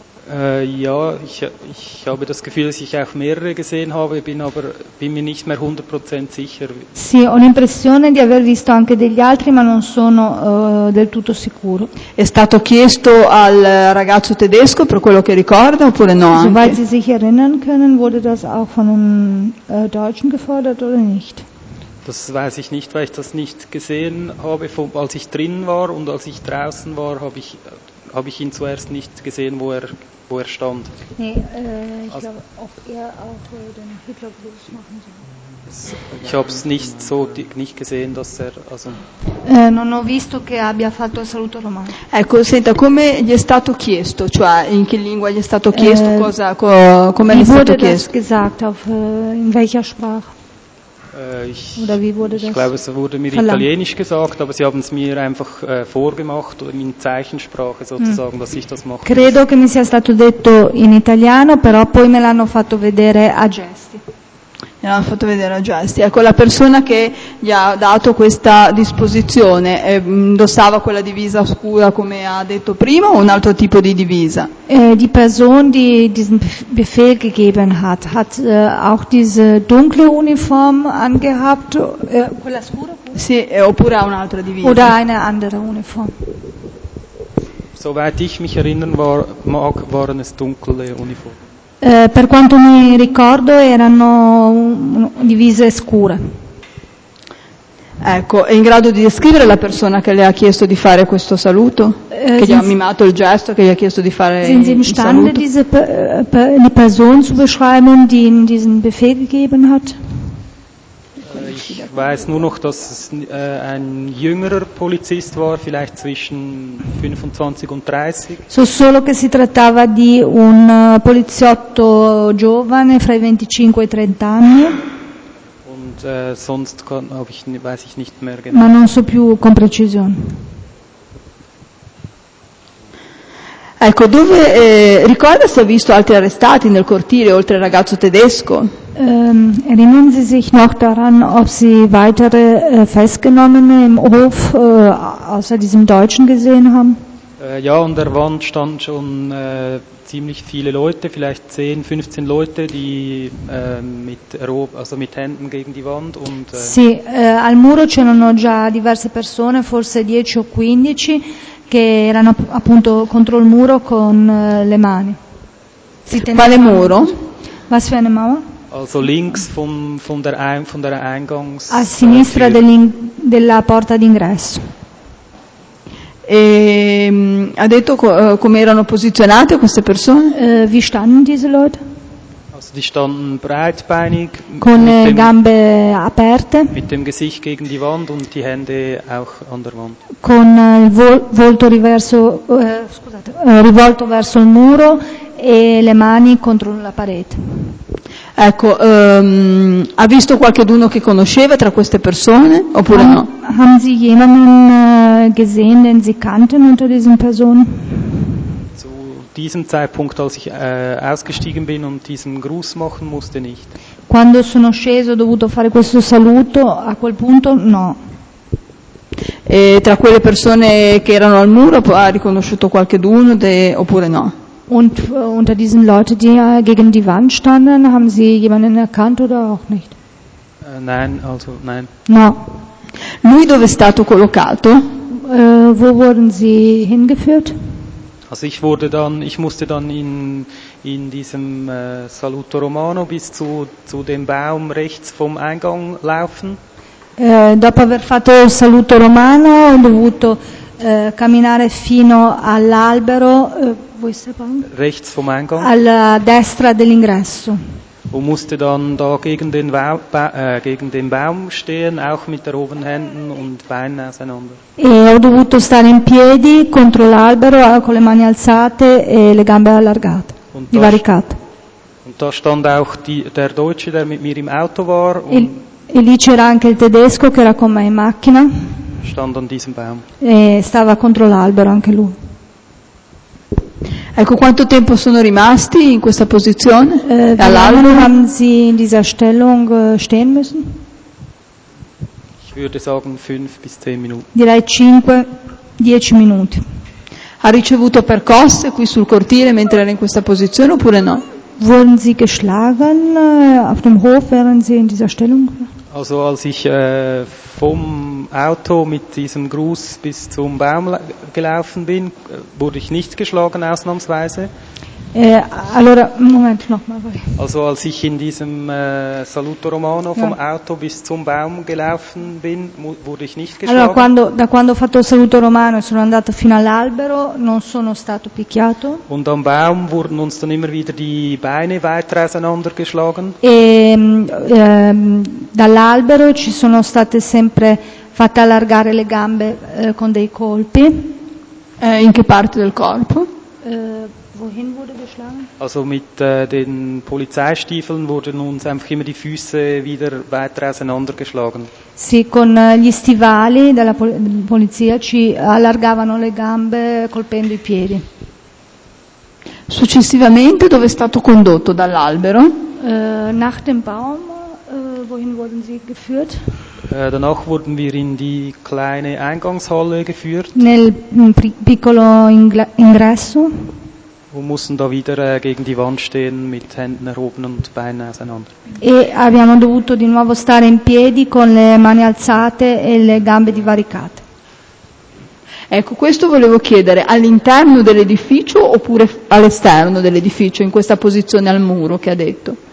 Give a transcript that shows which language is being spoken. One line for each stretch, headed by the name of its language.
German: Ja, ich habe das Gefühl, dass ich auch mehrere gesehen habe, bin mir nicht mehr 100% sicher.
Italian: Sì, ho l'impressione di aver visto anche degli altri, ma non sono del tutto sicuro. È stato chiesto al ragazzo tedesco per quello che ricorda oppure no anche?
German: Soweit Sie sich erinnern können, wurde das auch von einem Deutschen gefordert oder nicht? Das weiß ich nicht, weil ich das nicht gesehen habe, als ich drin war und als ich draußen war, habe ich ihn zuerst nicht gesehen, wo er stand. Nee, ich glaube, ob er auch den Hitlergruß machen soll. Ich habe es nicht so nicht gesehen, dass er also.
Italian: Non ho visto che abbia fatto il saluto romano. Ecco, senta, come gli è stato chiesto, cioè in che lingua gli è stato chiesto, cosa, come gli è stato chiesto?
German: Wie wurde das gesagt, in welcher Sprache? Ich glaube, es wurde mir verlangt. Italienisch gesagt, aber sie haben es mir einfach vorgemacht oder in Zeichensprache sozusagen, dass ich das mache.
Italian: Credo che mi sia stato detto in italiano, però poi me l'hanno fatto vedere a gesti. Me l'hanno fatto vedere a gesti. Ecco, la persona che gli ha dato questa disposizione indossava quella divisa scura, come ha detto prima, o un altro tipo di divisa?
German: Die Person, die diesen Befehl gegeben hat, hat auch diese dunkle Uniform angehabt.
Italian: Quella scura? Sì, oppure ha un'altra divisa.
German: Oder eine andere Uniform. Soweit ich mich erinnern mag, waren es dunkle Uniformen.
Italian: Per quanto mi ricordo erano divise scure. Ecco, è in grado di descrivere la persona che le ha chiesto di fare questo saluto? Che gli ha mimato il gesto, che gli ha chiesto di fare il saluto?
German: Sind Sie imstande, diese die Person zu beschreiben, die Ihnen diesen Befehl gegeben hat? Ich weiß nur noch, dass es ein jüngerer Polizist war, vielleicht zwischen 25 und 30.
Italian: So solo che si trattava di un poliziotto giovane fra i 25 e i 30 anni.
German: Und sonst weiß ich nicht mehr genau.
Italian: Ma non so più con precisione. Ecco, dove ricorda se ha visto altri arrestati nel cortile oltre al ragazzo tedesco?
German: Erinnern Sie sich noch daran, ob Sie weitere Festgenommene im Hof außer diesem Deutschen gesehen haben? Ja, an der Wand standen schon ziemlich viele Leute, vielleicht 10, 15 Leute, die mit Händen gegen die Wand und.
Italian: Sì, al muro c'erano già diverse persone, forse 10 o 15, che erano appunto contro il muro con le mani. Quale muro?
German: Was für eine Mauer? Also links von der Eingangs
Italian: a sinistra della porta d'ingresso. E ha detto come erano posizionate queste persone?
German: Wie standen diese Leute? Also die standen breitbeinig
Italian: con le gambe aperte
German: mit dem Gesicht gegen die Wand und die Hände auch an der Wand.
Italian: Con il volto rivolto verso il muro e le mani contro la parete. Ecco, ha visto qualcuno che conosceva tra queste persone oppure no?
German: Haben Sie jemanden gesehen, den Sie kannten unter diesen Personen? Zu diesem Zeitpunkt, als ich ausgestiegen bin und diesen Gruß machen musste, nicht.
Italian: Quando sono sceso, ho dovuto fare questo saluto, a quel punto no. E tra quelle persone che erano al muro ha riconosciuto qualcuno oppure no?
German: Und unter diesen Leuten, die gegen die Wand standen, haben Sie jemanden erkannt oder auch nicht? Nein, also nein.
Italian: No. Lui dove è stato collocato?
German: Wo wurden Sie hingeführt? Also ich musste dann in diesem Saluto Romano bis zu dem Baum rechts vom Eingang laufen.
Italian: Dopo aver fatto il Saluto Romano, ho dovuto camminare fino all'albero.
German: Rechts vom Eingang.
Italian: Alla destra dell'ingresso.
German: und musste dann da gegen den Baum stehen, auch mit erhobenen Händen und Beinen auseinander.
Italian: E ho dovuto stare in piedi contro l'albero con le mani alzate e le gambe allargate, divaricate.
German: Und da stand auch der Deutsche, der mit mir im Auto war.
Italian: E lì c'era anche il tedesco che era con me in macchina.
German: Stand an diesem Baum.
Italian: E stava contro l'albero anche lui. Ecco, quanto tempo sono rimasti in questa posizione? All'albero
German: haben sie in dieser Stellung stehen müssen? Ich würde sagen 5 bis 10 Minuten.
Italian: Direi 5-10 minuti. Ha ricevuto percosse qui sul cortile mentre era in questa posizione oppure no?
German: Wurden sie geschlagen auf dem Hof, während sie in dieser Stellung? Also als ich vom Auto mit diesem Gruß bis zum Baum gelaufen bin, wurde ich nicht geschlagen, ausnahmsweise.
Italian: Allora,
German: Moment, nochmal. Also als ich in diesem Saluto Romano vom Auto bis zum Baum gelaufen bin, wurde ich nicht geschlagen.
Italian: Allora, da quando ho fatto il Saluto Romano e sono andato fino all'albero, non sono stato picchiato.
German: Und am Baum wurden uns dann immer wieder die Beine weiter auseinander geschlagen.
Italian: Dall'albero ci sono state sempre fatte allargare le gambe con dei colpi. In che parte del corpo?
German: Wohin wurde geschlagen? Also mit den Polizeistiefeln wurden uns einfach immer die Füße wieder weiter auseinandergeschlagen.
Italian: Sì, con gli stivali della polizia ci allargavano le gambe colpendo i piedi. Successivamente dove è stato condotto dall'albero?
German: Nach dem Baum, wohin wurden sie geführt? Danach wurden wir in die kleine Eingangshalle geführt.
Italian: Nel piccolo ingresso.
German: Und mussten da wieder gegen die Wand stehen mit Händen erhoben und Beinen auseinander.
Italian: E abbiamo dovuto di nuovo stare in piedi con le mani alzate e le gambe divaricate. Ecco, questo volevo chiedere, all'interno dell'edificio oppure all'esterno dell'edificio, in questa posizione al muro che ha detto?